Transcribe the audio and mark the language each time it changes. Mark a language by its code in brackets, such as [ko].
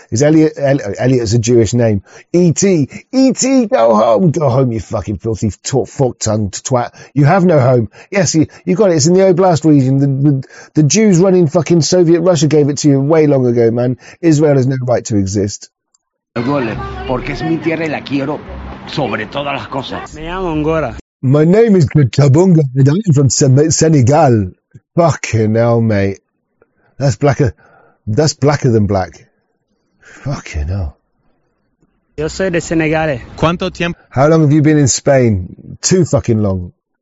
[en] Is Elliot, Elliot's a Jewish name. E.T., go home, you fucking filthy fork-tongued twat. You have no home. Yes, you got it, it's in the Oblast region. The Jews running fucking Soviet Russia gave it to you way long ago, man. Israel has no right to exist. [es] Me duele, porque es mi tierra y la quiero sobre todas las cosas. Me llamo Ngora. [en] My name is Kutabunga, and I'm from Senegal. Fucking hell, mate. That's blacker than black. Fucking hell. [es] Yo soy de Senegal. ¿Cuánto tiempo? [en] How long have you been in Spain? Too fucking long.